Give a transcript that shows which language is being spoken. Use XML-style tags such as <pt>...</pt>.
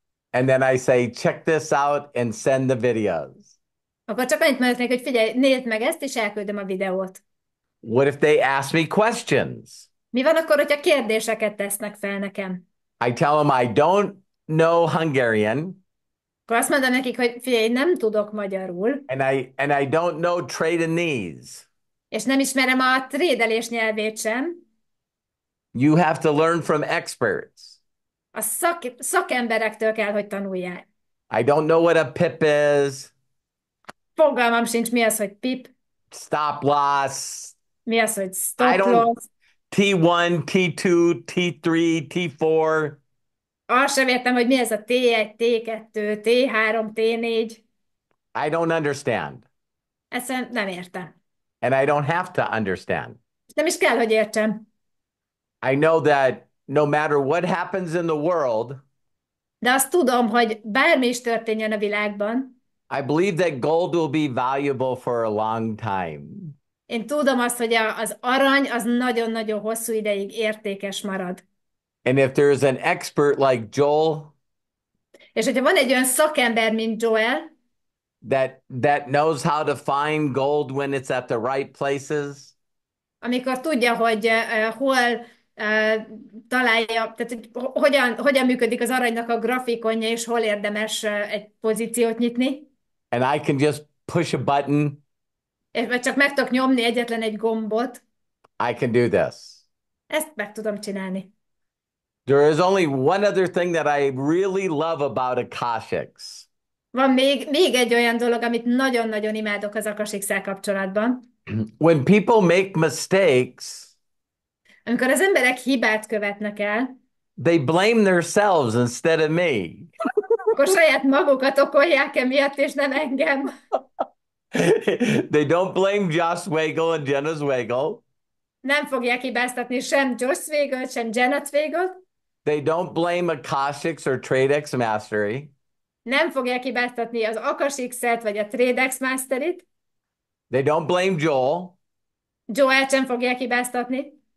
<en>And then I say, "Check this out and send the videos."</en> <hu>Akkor csak annyit mondhatnék, hogy figyelj, nézd meg ezt, és elküldöm a videót.</hu> <en>What if they ask me questions?</en> <hu>Mi van akkor, hogyha kérdéseket tesznek fel nekem?</hu> <en>I tell them I don't know Hungarian,</en> <hu>Akkor azt mondom nekik, hogy figyelj, nem tudok magyarul.</hu> <en>and I don't know Tradexmastery.</en> <hu>És nem ismerem a trédelés nyelvét sem.</hu> <en>You have to learn from experts.</en> <hu>A szakemberektől kell, hogy tanulják.</hu> <en>I don't know what a pip is.</en> <hu>Fogalmam sincs, mi az, hogy pip.</hu> <en>Stop loss.</en> <hu>Mi az, hogy</hu> <en>I stop don't. loss. T1, T2, T3, T4.</en> <hu>Azt sem értem, hogy mi ez a T1, T2, T3, T4.</hu> <en>I don't understand.</en> <hu>Ezt nem értem.</hu> <en>And I don't have to understand.</en> <hu>Nem is kell, hogy értsem.</hu> <en>I know that no matter what happens in the world,</en> <hu>De azt tudom, hogy bármi is történjen a világban,</hu> <en>I believe that gold will be valuable for a long time.</en> <hu>én tudom azt, hogy az arany az nagyon-nagyon hosszú ideig értékes marad.</hu> <en>And if there is an expert like Joel</en> <hu>És hogyha van egy olyan szakember, mint Joel,</hu> <en>that knows how to find gold when it's at the right places,</en> <hu>amikor tudja, hogy hol találja, tehát hogy hogyan működik az aranynak a grafikonja, és hol érdemes egy pozíciót nyitni,</hu> <en>and I can just push a button,</en> <hu>és vagy csak meg tudok nyomni egyetlen egy gombot,</hu> <en>I can do this.</en> <hu>Ezt meg tudom csinálni.</hu> <en>There is only one other thing that I really love about Akashx.</en> <hu>Van még egy olyan dolog, amit nagyon-nagyon imádok az Akashix-szel kapcsolatban.</hu> <en>When people make mistakes,</en> <hu>Amikor az emberek hibát követnek el,</hu> <en>they blame themselves instead of me.</en> <hu>akkor saját magukat okolják emiatt, és nem engem.</hu> <en>They don't blame Josh Swagel and Jenna Swagel.</en> <hu>Nem fogják hibáztatni sem Josh Swagelt, sem Jenna Swagelt.</hu> <en>They don't blame Akashx or Tradexmastery.</en> <hu>Nem fogják hibáztatni az Akashix-et vagy a Tradexmasterit.</hu> <en>They don't blame Joel.</en> <hu>Joel sem fogják hibáztatni.</hu>